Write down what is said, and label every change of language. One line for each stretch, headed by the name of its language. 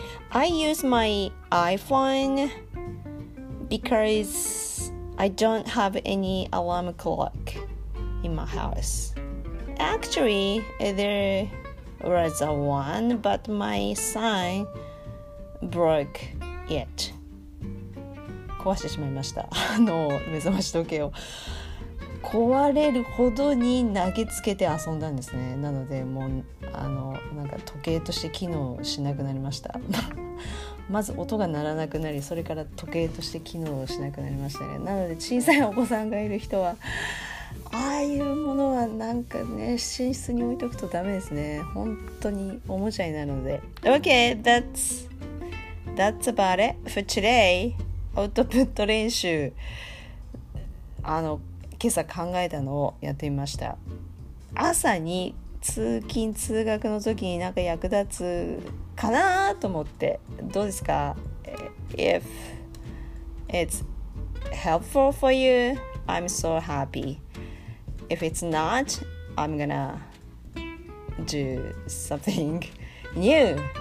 English: I use my iPhone because I don't have any alarm clock in my house. Actually, there was a one, but my son broke it.
Japanese: 壊してしまいました。目覚まし時計を。壊れるほどに投げつけて遊んだんですね。なのでもうなんか時計として機能しなくなりました。まず音が鳴らなくなり、それから時計として機能しなくなりましたね。なので小さいお子さんがいる人はああいうものはなんかね、寝室に置いとくとダメですね。本当におもちゃになるので。
English: OK, that's about it for today.
Japanese: アウトプット練習、今朝考えたのをやってみました。朝に通勤通学の時になんか役立つかなと思って。どうですか?
English: If it's helpful for you, I'm so happy. If it's not, I'm gonna do something new.